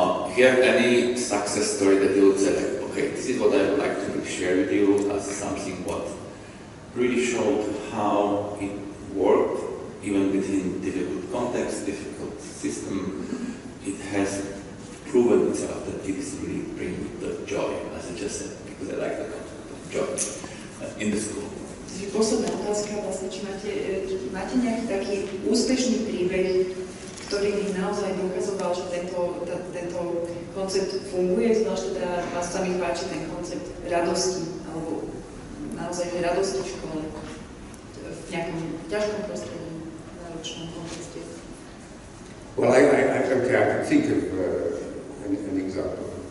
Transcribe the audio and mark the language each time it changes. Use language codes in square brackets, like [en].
[en] Have any success story that you would say, like, okay, this is what I would like to share with you as something what really showed how it worked, even within difficult context, difficult system, it has proven itself that it is really bringing the joy, as I just said, because I like the concept of joy in the school. [sk] Posledná otázka, vlastne, či máte nejaký taký úspešný príbeh, ktorý by naozaj dokazoval, že tento koncept funguje, znaš, teda vás sa mi páči ten koncept radosti, alebo naozaj radosti v škole, v nejakom ťažkom prostredí, náročnom kontexte. [en] Well, I can think of an example.